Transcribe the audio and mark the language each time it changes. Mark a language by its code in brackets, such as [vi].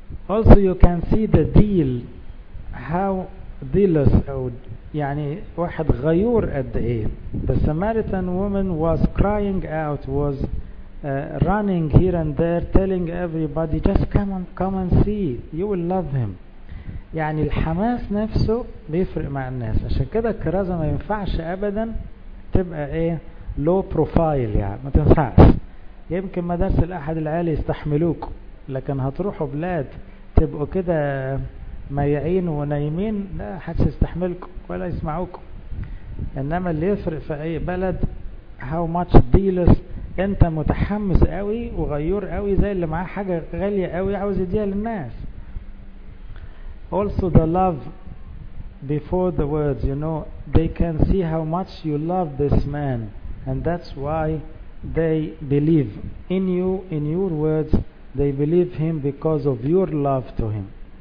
[en] Also you can see the deal, how dealers, [ar] أو يعني واحد غيور قد إيه. [en] The Samaritan woman was crying out, was running here and there telling everybody, just come and come and see, you will love him. [ar] يعني الحماس نفسه بيفرق مع الناس. عشان كده الكرازة ما ينفعش أبدا تبقى إيه, low profile. يعني ما تنفعش. يمكن مدارس الأحد العالي يستحملوك, لكن هتروحوا بلاد تبقوا كده ما يعين ونايمين, لا حدش يستحملكم ولا يسمعوكم. انما اللي يفرق في اي بلد [en] how much dealers, [ar] انت متحمس قوي وغيور قوي زي اللي معاه حاجة غالية قوي عاوز يديها للناس. [en] Also the love before the words, you know, they can see how much you love this man and that's why they believe in you, in your words, they believe him because of your love to him.